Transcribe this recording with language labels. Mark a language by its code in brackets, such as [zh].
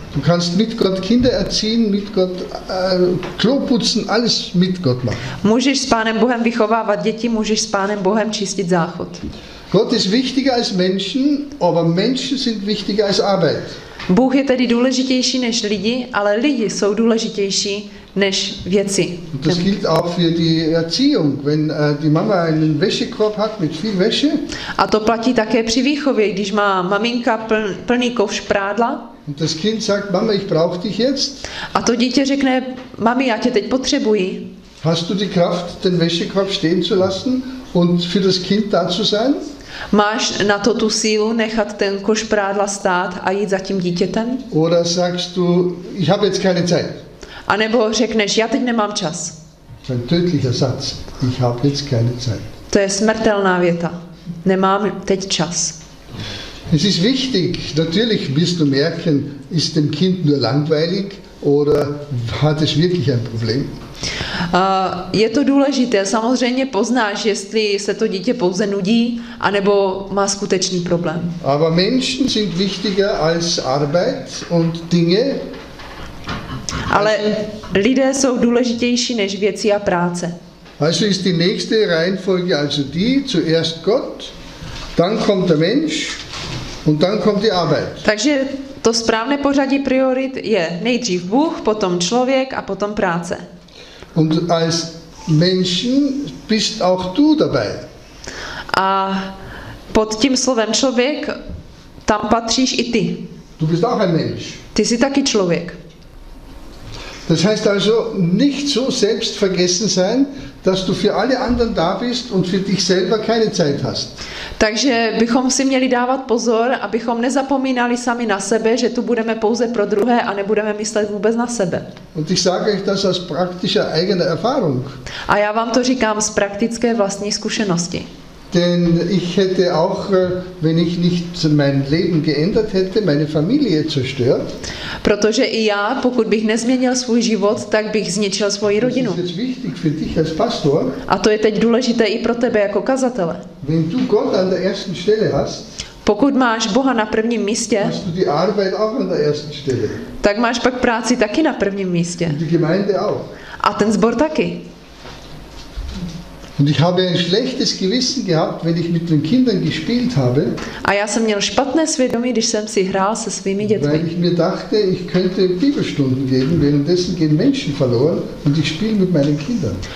[de] Du kannst mit Gott Kinder erziehen, mit Gott Klo putzen, alles mit Gott machen. [cs] Můžeš s Pánem Bohem vychovávat děti, můžeš s Pánem Bohem čistit záchod. [de] Gott ist wichtiger als Menschen, aber Menschen sind wichtiger als Arbeit. [cs] Bůh je tedy důležitější než lidi, ale lidi jsou důležitější než věci. [de] Und das gilt auch für die Erziehung, wenn die Mama einen Wäschekorb hat mit viel Wäsche. [cs] A to platí také při výchově, když má maminka plný kouš prádla. [de] Und das Kind sagt: Mama, ich brauche dich jetzt. [cs] A to dítě řekne: Mami, já tě teď potřebuji. [de] Hast du die Kraft, den Wäschekorb stehen zu lassen und für das Kind da zu sein? [cs] Máš na to tu sílu nechat ten koš prádla stát a jít za tím dítětem? [de] Oder sagst du, ich habe jetzt keine Zeit. [cs] A nebo řekneš, já teď nemám čas. To je [de] tödlicher Satz. Ich habe jetzt keine Zeit. [cs] To je smrtelná věta. Nemám teď čas. [de] Es ist wichtig, natürlich wirst du merken, ist dem Kind nur langweilig oder hat es wirklich ein Problem? [cs] Je to důležité, samozřejmě poznáš, jestli se to dítě pouze nudí, anebo má skutečný problém. [de] Aber Menschen sind wichtiger als Arbeit und Dinge. [cs] Ale lidé jsou důležitější než věci a práce. [de] Also ist die nächste Reihenfolge also die, zuerst Gott, dann kommt der Mensch und dann kommt die Arbeit. [cs] Takže to správné pořadí priorit je nejdřív Bůh, potom člověk a potom práce. [de] Und als Menschen bist auch du dabei. [cs] A pod tím slovem člověk tam patříš i ty. [de] Du bist auch ein Mensch. [cs] Ty jsi taky člověk. [de] Das heißt also nicht so selbstvergessen sein, dass du für alle anderen da bist und für dich selber keine Zeit hast. [cs] Takže bychom si měli dávat pozor, abychom nezapomínali sami na sebe, že tu budeme pouze pro druhé a nebudeme myslet vůbec na sebe. [de] Und ich sage euch das aus praktischer eigener Erfahrung. [cs] A já vám to říkám z praktické vlastní zkušenosti. [de] Denn ich hätte auch, wenn ich nicht mein Leben geändert hätte, meine Familie zerstört. [cs] Protože i já, pokud bych nezměnil svůj život, tak bych zničil svoji rodinu. [de] Das ist wichtig für dich als Pastor. [cs] A to je teď důležité i pro tebe jako kazatele. [de] Wenn du Gott an der ersten Stelle hast, [cs] pokud máš Boha na prvním místě, [de] hast du die Arbeit auch an der ersten Stelle. [cs] Tak máš pak práci taky na prvním místě. [de] Und die Gemeinde auch. [cs] A ten sbor taky. [de] Und ich habe ein schlechtes Gewissen gehabt, wenn ich mit den Kindern gespielt habe. [cs] A já jsem měl špatné svědomí, když jsem si hrál se svými dětmi. [de] Weil ich mir dachte, ich könnte Bibelstunden geben, währenddessen gehen Menschen verloren und ich spiele mit meinen Kindern.